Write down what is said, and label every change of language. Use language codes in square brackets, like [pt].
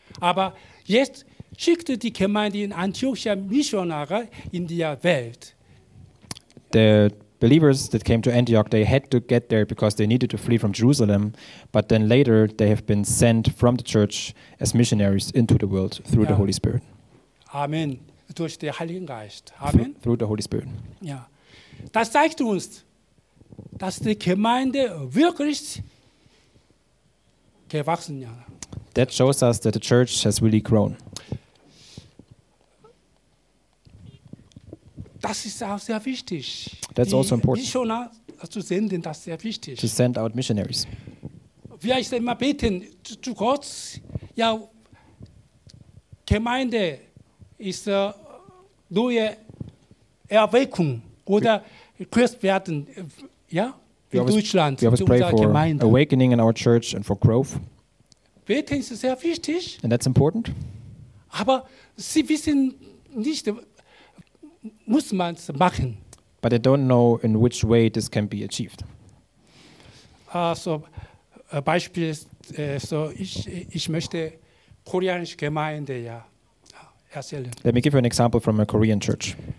[de] Aber jetzt schickte die Gemeinde in Antiochia Missionare in die Welt. [en] The believers that came to Antioch, they had to get there because they needed to flee from Jerusalem, but then later they have been sent from the church as missionaries into the world through the Holy Spirit. [de] Amen. Durch den Heiligen Geist. Amen. [en] Through the Holy Spirit. Ja. [de] Das zeigt uns, dass die Gemeinde wirklich gewachsen ist. [en] That shows us that the church has really grown. [de] Das ist auch sehr wichtig. [en] That's also important. [de] Missionare zu senden, das ist sehr wichtig. [en] To send out missionaries. [de] Wir müssen immer beten zu Gott. Ja, Gemeinde ist neue Erweckung oder Christ werden, ja, in Deutschland. [en] We always pray for awakening in our church and for growth. [de] Beten ist sehr wichtig. [en] And that's important. [de] Aber sie wissen nicht, muss man es machen. [en] But they don't know in which way this can be achieved. [de] Also, Beispiel ist, so ich möchte koreanische Gemeinde, ja. [en] Let me give you an example from a Korean church.